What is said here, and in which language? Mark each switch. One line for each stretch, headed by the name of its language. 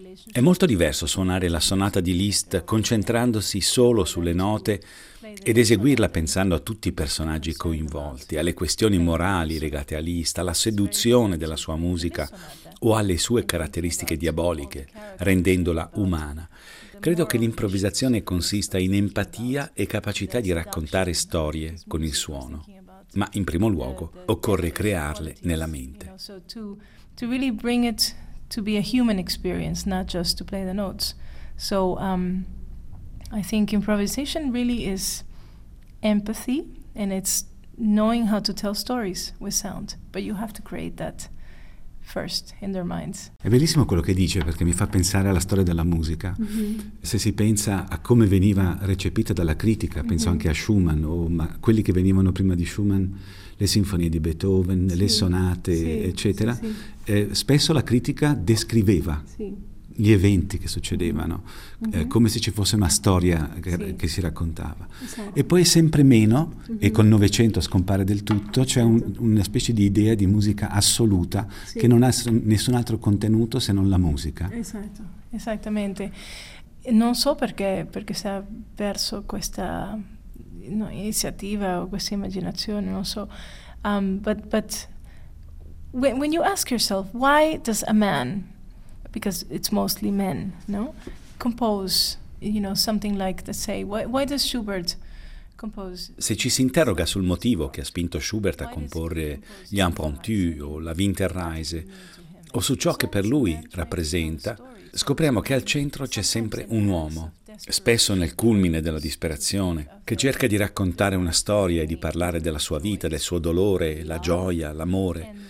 Italian: È molto diverso suonare la sonata di Liszt concentrandosi solo sulle note ed eseguirla pensando a tutti i personaggi coinvolti, alle questioni morali legate a Liszt, alla seduzione della sua musica o alle sue caratteristiche diaboliche, rendendola umana. Credo che l'improvvisazione consista in empatia e capacità di raccontare storie con il suono. Ma in primo luogo occorre crearle nella mente.
English: To really bring it to be a human experience, not just to play the notes. So I think improvisation really is empathy and it's knowing how to tell stories with sound. But you have to create that first in their minds.
Italian: È bellissimo quello che dice perché mi fa pensare alla storia della musica. Mm-hmm. Se si pensa a come veniva recepita dalla critica, penso anche a Schumann o ma quelli che venivano prima di Schumann, le sinfonie di Beethoven, le sonate, eccetera, spesso la critica descriveva gli eventi che succedevano, come se ci fosse una storia che si raccontava. E poi sempre meno, e col Novecento scompare del tutto, c'è una specie di idea di musica assoluta che non ha nessun altro contenuto se non la musica. Esatto, esattamente. Non so perché si è perso questa iniziativa o questa immaginazione, non so,
English: but when you ask yourself, why does a man, because it's mostly men, no? Compose, you know, something like, let's say, why does Schubert compose?
Italian: Se ci si interroga sul motivo che ha spinto Schubert a comporre gli Impromptu o la Winterreise, o su ciò che per lui rappresenta, scopriamo che al centro c'è sempre un uomo, spesso nel culmine della disperazione, che cerca di raccontare una storia e di parlare della sua vita, del suo dolore, la gioia, l'amore.